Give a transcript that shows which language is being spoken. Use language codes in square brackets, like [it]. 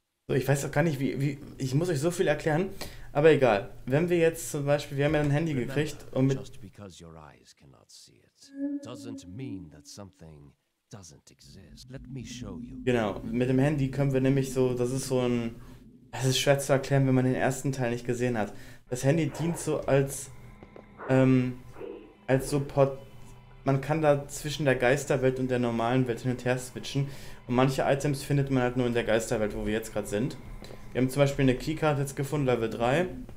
[de] So, ich weiß auch gar nicht, wie. Ich muss euch so viel erklären, aber egal. Wenn wir jetzt zum Beispiel, wir haben ja ein Handy gekriegt und mit. [en] Just because your eyes cannot see it doesn't mean that something doesn't exist. Let me show you. [de] Genau, mit dem Handy können wir nämlich so, das ist so ein. Es ist schwer zu erklären, wenn man den ersten Teil nicht gesehen hat. Das Handy dient so als so Pod. Man kann da zwischen der Geisterwelt und der normalen Welt hin und her switchen. Und manche Items findet man halt nur in der Geisterwelt, wo wir jetzt gerade sind. Wir haben zum Beispiel eine Keycard jetzt gefunden, Level 3.